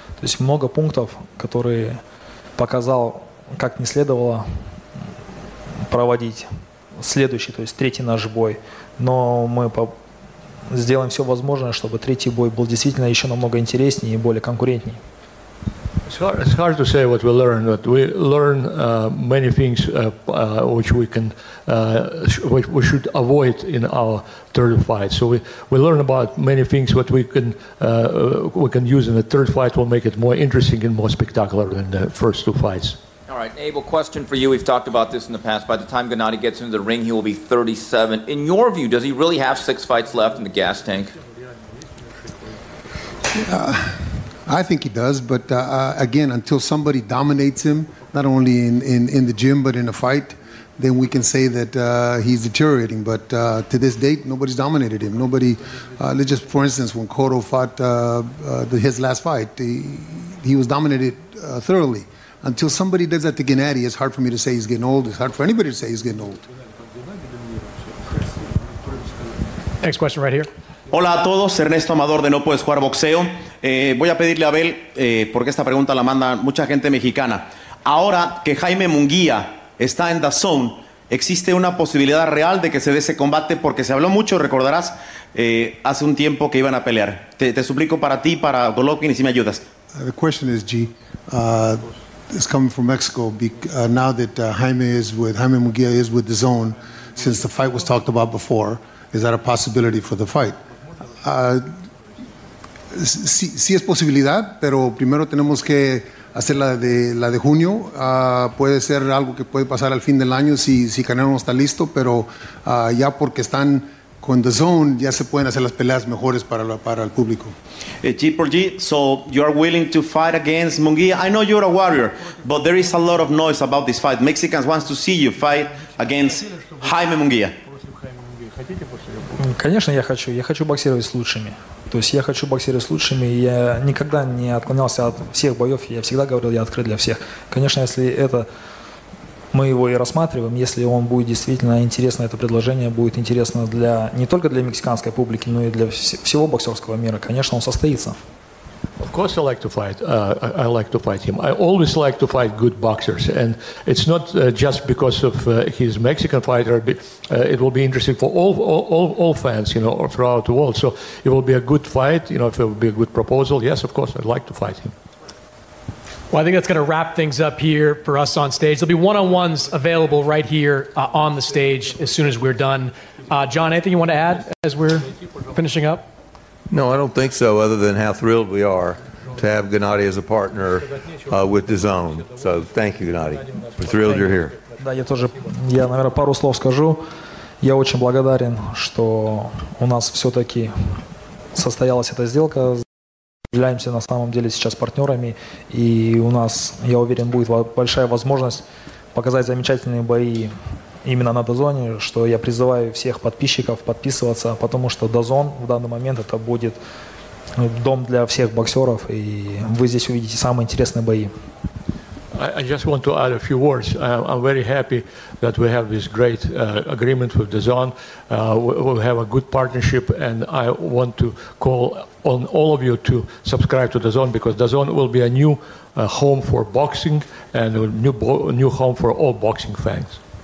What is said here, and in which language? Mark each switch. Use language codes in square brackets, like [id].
[ru] То есть много пунктов, которые показал, как не следовало проводить следующий, то есть третий наш бой. Но мы сделаем все возможное, чтобы третий бой был действительно еще намного интереснее и более конкурентнее. [en] It's hard to say what we learned, but we learn many things which we can, which we should avoid in our third fight. So we learn about many things what we can use in the third fight will make it more interesting and more spectacular than the first two fights. All right, Abel, question for you. We've talked about this in the past. By the time Gennady gets into the ring, he will be 37. In your view, does he really have six fights left in the gas tank? I think he does, but again, until somebody dominates him, not only in the gym but in a fight, then we can say that he's deteriorating. But to this date, nobody's dominated him. Nobody, just for instance, when Cotto fought his last fight, he was dominated thoroughly. Until somebody does that to Gennady, it's hard for me to say he's getting old. It's hard for anybody to say he's getting old. Next question right here. [es] Hola a todos, Ernesto Amador de No Puedes Jugar Boxeo. Voy a pedirle a Abel, porque esta pregunta la manda mucha gente mexicana. Ahora que Jaime Munguía está en DAZN, ¿existe una posibilidad real de que se dé ese combate? Porque se habló mucho, recordarás, hace un tiempo que iban a pelear. Te suplico para ti, para Golovkin, y si me ayudas. [en] The question is, G, it's coming from Mexico. Now that Jaime Munguía is with DAZN, since the fight was talked about before, is that a possibility for the fight? [es] Sí es posibilidad, pero primero tenemos que hacer la de junio. Puede ser algo que puede pasar al fin del año si Canelo no está listo, pero ya porque están con DAZN, ya se pueden hacer las peleas mejores para el público. [en] G4G, so you are willing to fight against Munguía? I know you're a warrior, but there is a lot of noise about this fight. Mexicans want to see you fight against Jaime Munguía. [ru] Конечно, я хочу. Я хочу боксировать с лучшими. То есть я хочу боксировать с лучшими. Я никогда не отклонялся от всех боев. Я всегда говорил, я открыт для всех. Конечно, если это мы его и рассматриваем, если он будет действительно интересно, это предложение будет интересно для не только для мексиканской публики, но и для всего боксерского мира. Конечно, он состоится. [en] Of course, I like to fight. I like to fight him. I always like to fight good boxers, and it's not just because of his Mexican fighter. It will be interesting for all fans, you know, throughout the world. So it will be a good fight. You know, if it will be a good proposal, yes, of course, I'd like to fight him. Well, I think that's going to wrap things up here for us on stage. There'll be one-on-ones available right here on the stage as soon as we're done. John, anything you want to add as we're finishing up? No, I don't think so, other than how thrilled we are to have Gennady as a partner with DAZN. So thank you, Gennady. We're thrilled you're here. [ru] Да, я тоже, я, наверное, пару слов скажу. Я очень благодарен, что у нас все-таки состоялась эта сделка. Являемся на самом деле сейчас партнерами. И у нас, я уверен, будет большая возможность показать замечательные бои именно на Дозоне, что я призываю всех подписчиков подписываться, потому что Дозон в данный момент это будет дом для всех боксеров, и вы здесь увидите самые интересные бои. [en] I just want to add a few words. I'm very happy that we have this great agreement with DAZN. We have a good partnership, and I want to call on all of you to subscribe to DAZN, because DAZN will be a new home for boxing and a new home for all boxing fans.